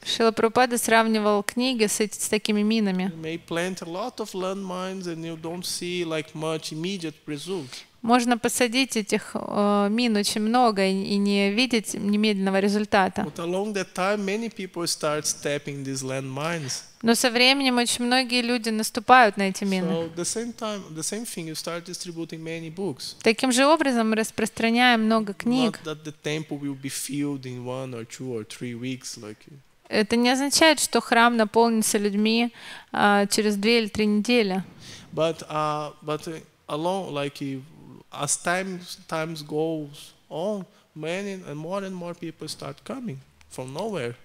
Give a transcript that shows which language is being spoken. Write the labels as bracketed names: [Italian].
[Russian] Шрила Прабхупада сравнивал книги с такими минами. [English] You may plant a lot of landmines and you don't see like much immediate results. [Russian] Можно посадить этих мин очень много и не видеть немедленного результата. [English] But along that time many people start stepping these landmines. [Russian] Но со временем очень многие люди наступают на эти мины. [English] So the same time, the same thing, you start distributing many books. [Russian] Таким же образом мы распространяем много книг. [English] Not that the temple will be filled in one or two or three weeks, like. [Russian] Это не означает, что храм наполнится людьми через две или три недели. [English] But along like as times goes on, many and more people start coming from nowhere.